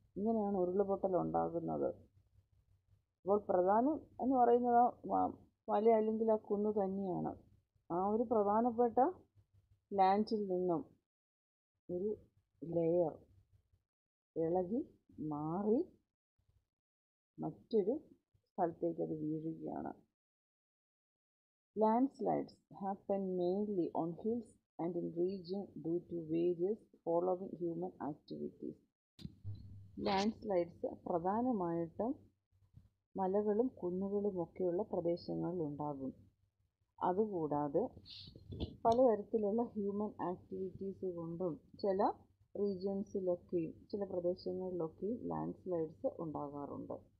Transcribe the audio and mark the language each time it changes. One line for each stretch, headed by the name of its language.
Malayalam: ഇങ്ങനെയാണ് ഉരുളുപൊട്ടൽ ഉണ്ടാകുന്നത്. അപ്പോൾ പ്രധാനം എന്ന് പറയുന്നത് മല അല്ലെങ്കിൽ ആ കുന്ന് തന്നെയാണ്. ആ ഒരു പ്രധാനപ്പെട്ട ലാൻഡിൽ നിന്നും ഒരു ലെയർ ഇളകി മാറി മറ്റൊരു സ്ഥലത്തേക്ക് അത് വീഴുകയാണ്.
English: Landslides happen mainly on hills and in region due to various following human activities.
Malayalam: Landslides പ്രധാനമായിട്ടും മലകളും കുന്നുകളും ഒക്കെയുള്ള പ്രദേശങ്ങളിൽ ഉണ്ടാകും. അതുകൂടാതെ പലതരത്തിലുള്ള ഹ്യൂമൻ ആക്ടിവിറ്റീസ് കൊണ്ടും ചില റീജിയൻസിലൊക്കെയും ചില പ്രദേശങ്ങളിലൊക്കെയും ലാൻഡ് സ്ലൈഡ്സ് ഉണ്ടാകാറുണ്ട്.